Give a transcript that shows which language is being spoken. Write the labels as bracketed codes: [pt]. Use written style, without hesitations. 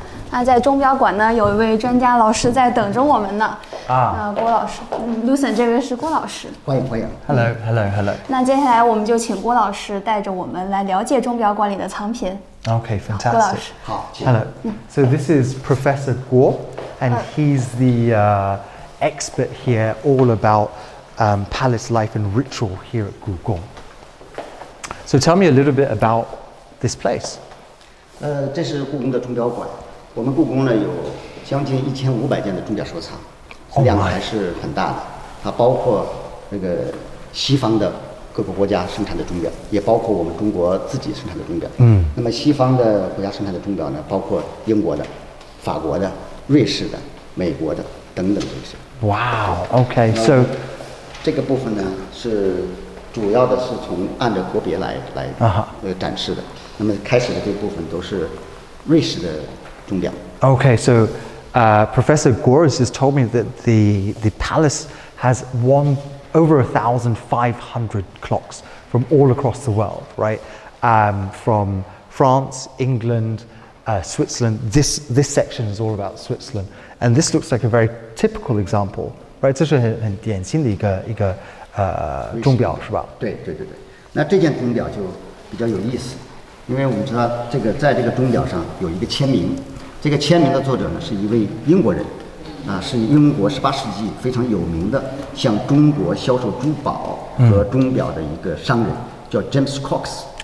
[zh] 那在钟表馆呢，有一位专家老师在等着我们呢。郭老师。Lucen, 这位是郭老师。欢迎，欢迎。 [en] Hello, hello, hello. [zh] 那接下来我们就请郭老师带着我们来了解钟表馆里的藏品。 [en] Okay, fantastic. [zh] 郭老师。好。 [en] Hello. So this is Professor Guo, and he's the expert here all about palace life and ritual here at [zh] 故宫。 [en] So tell me a little bit about this place. [zh] 这是故宫的钟表馆。我们故宫呢有将近1500件的钟表收藏，量还是很大的。它包括那个西方的各个国家生产的钟表，也包括我们中国自己生产的钟表。嗯，那么西方的国家生产的钟表呢，包括英国的、法国的、瑞士的、美国的等等这些。 [en] 哇、wow, ，OK， so [zh] 这个部分呢是主要的是从按照国别来展示的。 [en] Uh-huh. [zh] 那么开始的这部分都是瑞士的钟表。 [en] OK， so Professor Gores has told me that the palace has one. Over 1,500 clocks from all across the world, right? From France, England, Switzerland. This section is all about Switzerland. And this looks like a very typical example, right? [zh] 这是很典型的一个钟表是吧？对。那这件钟表就比较有意思，因为我们知道这个在这个钟表上有一个签名，这个签名的作者呢是一位英国人。啊，是英国十八世纪非常有名的向中国销售珠宝和钟表的一个商人，叫 James Cox。